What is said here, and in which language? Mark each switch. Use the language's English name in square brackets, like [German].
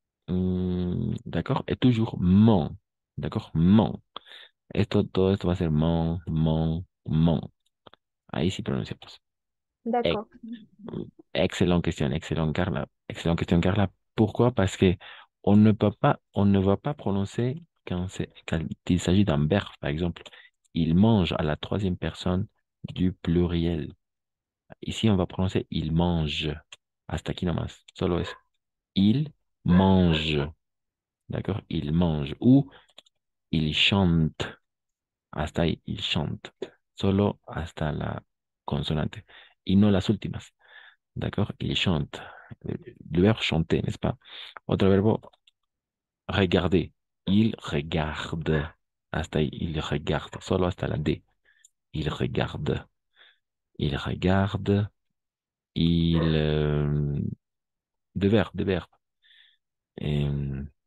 [French] D'accord, et toujours mon. D'accord, mon. [Spanish] Esto, todo esto va a ser mon, mon, mon. Ahí sí pronunciamos. [French] D'accord. [Spanish] Excelente [French] question, excelente Carla. Excelente question, Carla. Pourquoi? Parce que on ne va pas prononcer quand il s'agit d'un verbe, par exemple. Il mange à la troisième personne du pluriel. Ici, on va prononcer il mange. [Spanish] Hasta aquí nomás. Solo eso. [French] Il mange. D'accord? Il mange. Ou il chante. [Spanish] Hasta ahí, [French] il chante. [Spanish] Solo hasta la consonante. Y no las últimas. [French] D'accord? Il chante. Le verbe chanter, n'est-ce pas? Autre verbe, regarder. Il regarde. [Spanish] Hasta ahí, [French] il regarde. [Spanish] Solo hasta la D. Il regarde. [French] Il regarde. De verbe, de verbe.